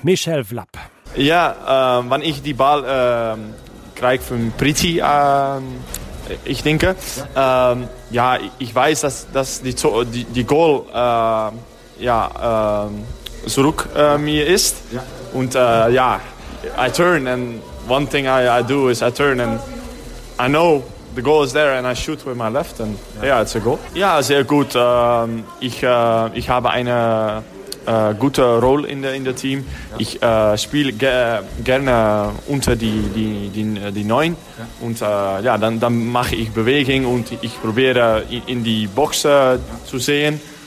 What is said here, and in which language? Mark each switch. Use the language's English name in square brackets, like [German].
[German] Michel Vlapp. Ja, wann ich die Ball kriege von Priti, ich denke, ich weiß, dass die Goal zurück mir ist. [English] Und I turn and one thing I do is I turn and I know the goal is there and I shoot with my left and it's a goal. [German] Ja, sehr gut. Ich habe eine gute Rolle in der Team. Ja. Ich spiele gerne unter die Neun und dann mache ich Bewegung und ich probiere in die Box zu sehen.